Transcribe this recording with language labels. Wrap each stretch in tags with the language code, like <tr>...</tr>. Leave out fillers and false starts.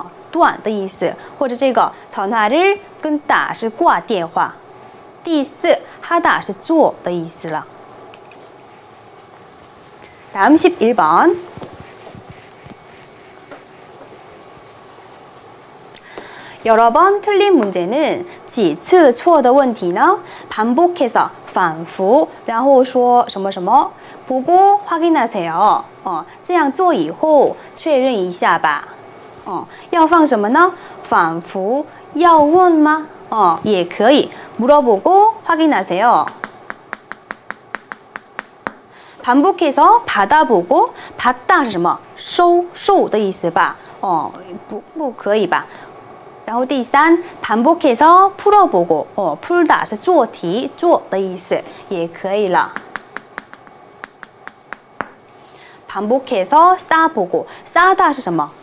<zh>断的意思 或者这个</zh> <ko>전화를 끊다</ko> <zh>是挂电话 第四 하다是做的意思了</zh> <ko>다음 11번 여러 번 틀린 문제는</ko> <zh>几次错的问题呢? 반복해서 反复然后说什么什么</zh> <ko>보고 확인하세요</ko> <zh>这样做以后确认一下吧要放什么呢? 反复要问吗? 也可以</zh> <ko>물어보고 확인하세요 반복해서 받아보고 받다是什么?</ko> <zh>收的意思吧 不可以吧 然后第三,</zh> <ko>반복해서 풀어보고</ko> <zh>풀다是做题, 做的意思也可以了</zh> <ko>반복해서 싸보고</ko> <zh>싸다是什么?</zh>